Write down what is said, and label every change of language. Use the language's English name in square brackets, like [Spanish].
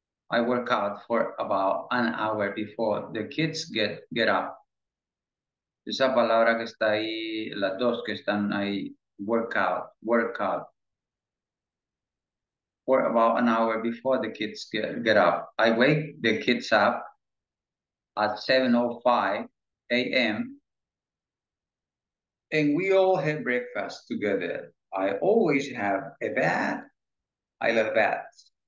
[English] I work out for about an hour before the kids get up. [Spanish] Esa palabra que está ahí, las dos que están ahí, work out. [English] For about an hour before the kids get up. I wake the kids up at 7:05 a.m. and we all have breakfast together. I always have a bath. I love baths.